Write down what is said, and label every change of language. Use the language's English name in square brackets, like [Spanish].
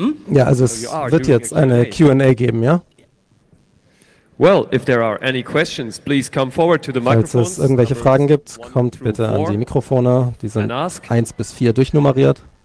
[German] Ja, also es wird jetzt eine Q&A geben, ja? [English] Well, if there are any questions, please come forward to the microphones. [German] Falls es irgendwelche Fragen gibt, kommt bitte an die Mikrofone. Die sind 1 bis 4 durchnummeriert.